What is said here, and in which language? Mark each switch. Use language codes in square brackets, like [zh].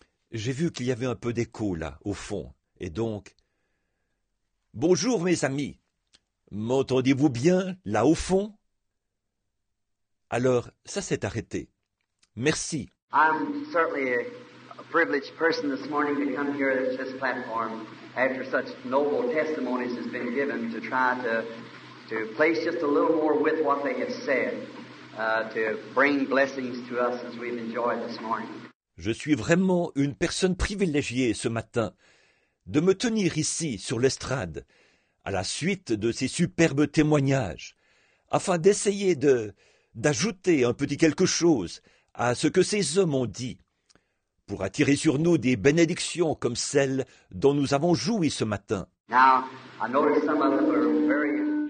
[fr] J'ai vu qu'il y avait un peu d'écho, là, au fond. Et donc... Bonjour, mes amis. M'entendez-vous bien, là, au fond? Alors, ça s'est arrêté. Merci. [en] I'm certainly a privileged person this morning to come here at this platform. After such noble testimonies has been given, to try to place just a little more with what they have said, to bring blessings to us as we've enjoyed this morning. [fr] Je suis vraiment une personne privilégiée ce matin de me tenir ici sur l'estrade à la suite de ces superbes témoignages afin d'essayer d'ajouter un petit quelque chose à ce que ces hommes ont dit, pour attirer sur nous des bénédictions comme celles dont nous avons joui ce matin. [en] Now, I noticed some of them are very...